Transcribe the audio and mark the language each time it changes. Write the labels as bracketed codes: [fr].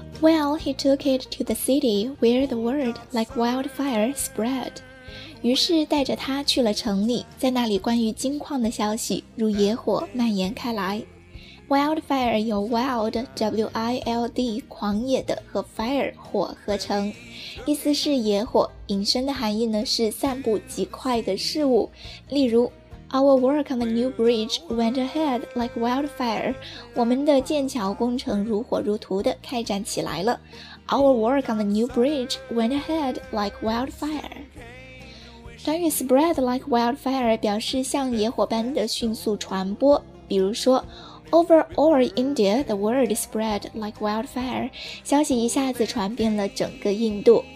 [en] Well, he took it to the city where the word like wildfire spread. [zh] 于是带着他去了城里，在那里关于金矿的消息如野火蔓延开来。 Wildfire 有 wild, W-I-L-D, 狂野的和 fire, 火合成，意思是野火，引申的含义呢是散布极快的事物。 [en] 例如 Our work on the new bridge went ahead like wildfire, [zh] 我们的建桥工程如火如荼的开展起来了。 [en] Our work on the new bridge went ahead like wildfire。短语 spread like wildfire [zh] 表示像野火般的迅速传播，比如说 [en] Over all India, the word spread like wildfire. [zh] 消息一下子传遍了整个印度。